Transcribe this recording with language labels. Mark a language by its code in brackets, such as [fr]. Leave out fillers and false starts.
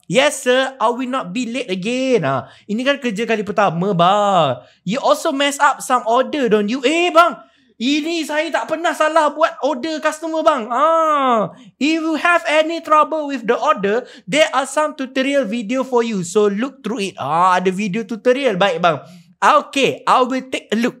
[en] Yes sir, I will not be late again. [ms] Ini kan kerja kali pertama bang. [en] You also mess up some order don't you? [ms] Eh bang, ini saya tak pernah salah buat order customer bang. [en] If you have any trouble with the order, there are some tutorial video for you. So look through it. [ms] Ada video tutorial. Baik bang. [en] Okay, I will take a look.